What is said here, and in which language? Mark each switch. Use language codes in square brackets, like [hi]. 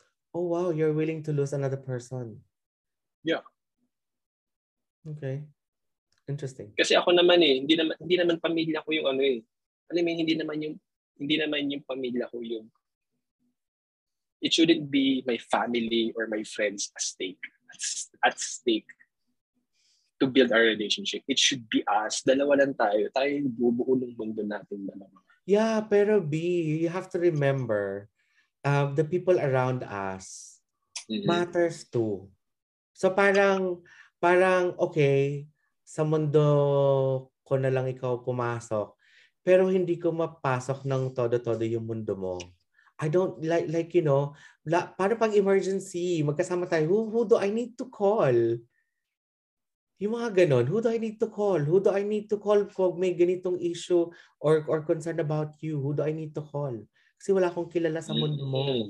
[en] Oh wow, you're willing to lose another person. Yeah. Okay. Interesting. [tl] Kasi ako naman eh, hindi naman pamilya ko yung ano eh. Alam mo, hindi naman yung pamilya ko yung [en] it shouldn't be my family or my friends at stake to build our relationship. It should be us. [tl] Dalawa lang tayo. Tayo yung bubuo ng mundo natin dalawa. [en] Yeah, pero B, you have to remember the people around us matters too. [tl] So parang okay, sa mundo ko na lang ikaw pumasok, pero hindi ko mapasok ng todo-todo yung mundo mo. [en] I don't like you know, [tl] para pang emergency, magkasama tayo, [en] who do I need to call? [tl] Yung mga ganun, [en] who do I need to call? Who do I need to call [tl] kung may ganitong [en] issue or concern about you? Who do I need to call? [tl] Kasi wala akong kilala sa mundo mo.